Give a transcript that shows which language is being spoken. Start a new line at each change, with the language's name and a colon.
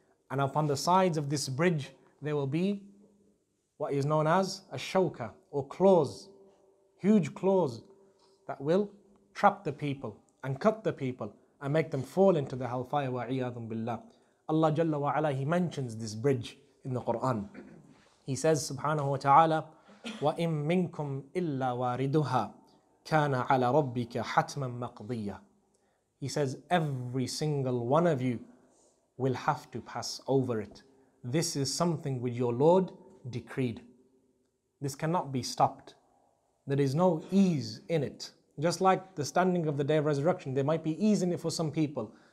English: And upon the sides of this bridge, there will be what is known as a shawka, or claws, huge claws that will trap the people and cut the people and make them fall into the hellfire, wa'iyadun billah. Allah Jalla wa Ala, he mentions this bridge in the Quran. He says,
Arabic: subhanahu wa ta'ala, وَإِن مِنْكُمْ إِلَّا وَارِدُهَا كَانَ عَلَى رَبِّكَ حَتْمًا مَقْضِيًّا.
English: He says, every single one of you will have to pass over it. This is something which your Lord decreed. This cannot be stopped. There is no ease in it. Just like the standing of the day of resurrection, there might be ease in it for some people.